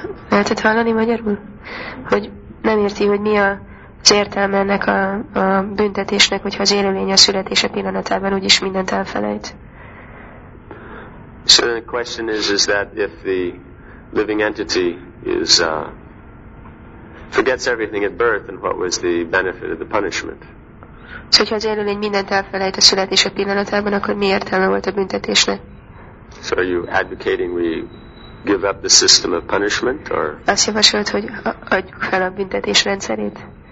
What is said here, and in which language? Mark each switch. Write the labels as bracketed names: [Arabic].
[Hungarian] Lehetett hallani magyarul? Hogy nem érti, hogy mi az értelme ennek a büntetésnek, hogyha az élőlény a születése pillanatában úgyis mindent elfelejt. [English] So the question is that if the living entity is forgets everything at birth, and what was the benefit of the punishment? [Hungarian] So, ha az élőlény mindent elfelejt a születése pillanatában, akkor mi értelme volt a büntetésnek? [English] So, are you advocating we give up the system of punishment, or? [Hungarian] Azt javasolt, hogy adjuk fel a büntetés rendszerét.